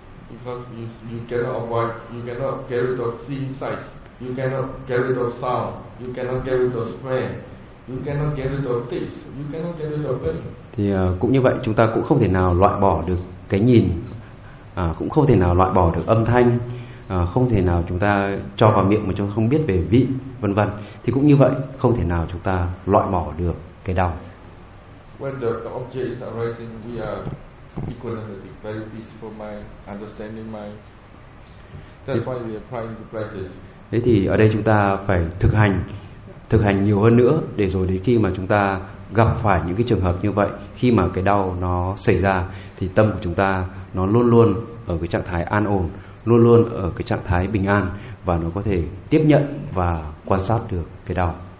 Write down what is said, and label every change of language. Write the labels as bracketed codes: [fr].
[en] Because you cannot avoid, you cannot get rid of seeing sight, you cannot get rid of sound, you cannot get rid of smell, you cannot get rid of taste, you cannot get rid of pain. [vi] Thì cũng như vậy, chúng ta cũng không thể nào loại bỏ được cái nhìn, cũng không thể nào loại bỏ được âm thanh, không thể nào chúng ta cho vào miệng mà chúng ta không biết về vị, vân vân. Thì cũng như vậy, không thể nào chúng ta loại bỏ được cái đau. [en] When the object is arising, we are equanimity, very peaceful mind, understanding mind. That's why we are trying to practice. [vi] Thế thì ở đây chúng ta phải thực hành nhiều hơn nữa, để rồi đến khi mà chúng ta gặp phải những cái trường hợp như vậy, khi mà cái đau nó xảy ra, thì tâm của chúng ta nó luôn luôn ở cái trạng thái an ổn, luôn luôn ở cái trạng thái bình an, và nó có thể tiếp nhận và quan sát được cái đau.